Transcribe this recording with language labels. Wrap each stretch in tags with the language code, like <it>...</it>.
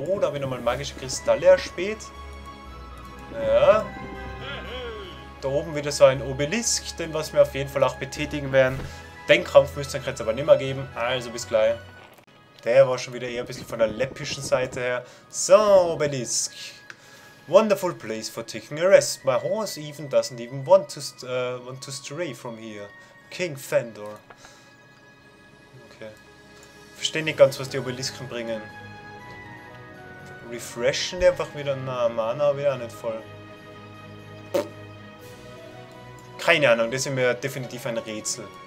<de>Oh, da habe ich nochmal magische Kristalle erspäht. Ja. Da oben wieder so ein Obelisk, den was wir auf jeden Fall auch betätigen werden. Den Kampf müsste es aber nicht mehr geben. Also bis gleich. Der war schon wieder eher ein bisschen von der läppischen Seite her. So, Obelisk.</de> <en>Wonderful place for taking a rest. My horse even doesn't even want to stray from here. King Fandor. Okay.</en> <de>Verstehe nicht ganz, was die Obelisken bringen. Refreshen die einfach wieder? Na, Mana wieder auch nicht voll. Keine Ahnung, das ist mir definitiv ein Rätsel.</de>